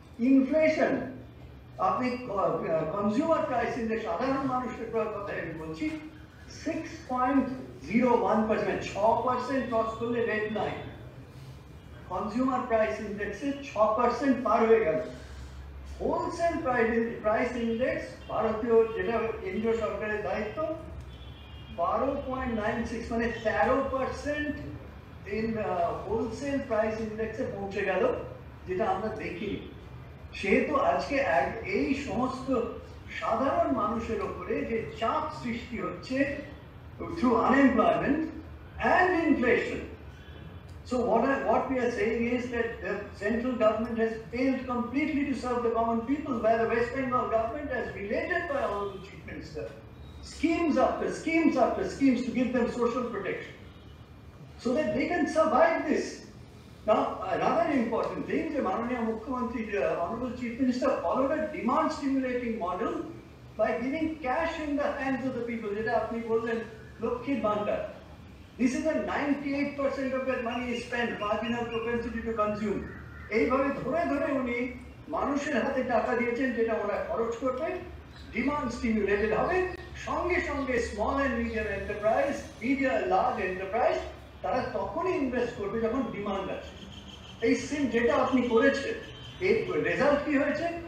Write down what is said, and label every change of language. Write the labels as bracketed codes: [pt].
[bn] Inflation, আপনি consumer price index, সাধারণ মানুষের কথা আমি বলছি, 6.01%, 6% ক্রস করলে রেড লাইন, কনজিউমার প্রাইস ইন্ডেক্সে 6% পার হয়ে গেল। হোলসেল প্রাইস ইন্ডেক্স ভারতীয় যেটা কেন্দ্রীয় সরকারের দায়িত্ব, 12.96, মানে 13% ইন হোলসেল প্রাইস ইন্ডেক্সে পৌঁছে গেল, যেটা আমরা দেখিনি। সেহেতু আজকে এই সমস্ত সাধারণ মানুষের ওপরে যে চাপ সৃষ্টি হচ্ছে [en] Through unemployment and inflation, so what we are saying is that the central government has failed completely to serve the common people, where the West Bengal government has related by all the chief minister schemes after schemes after schemes to give them social protection so that they can survive this. Now another important thing, the Mananiya Mukhyamantri, the honorable chief minister, followed a demand stimulating model by giving cash in the hands of the people, [bn] jeta apni bolen lokhi bandar. [en] This is a 98% of that money is spent, marginal propensity to consume. [bn] এইভাবে ধরে ধরে উনি মানুষের হাতে টাকা দিয়েছেন, যেটা ওরা খরচ করবে, ডিমান্ড স্টিমুলেটেড হবে, সঙ্গে সঙ্গে small and medium enterprise, media large enterprise, তারা তখনই ইনভেস্ট করবে যখন ডিমান্ড আছে। এই সিম যেটা আপনি করেছেন, এর রেজাল্ট কী হয়েছে?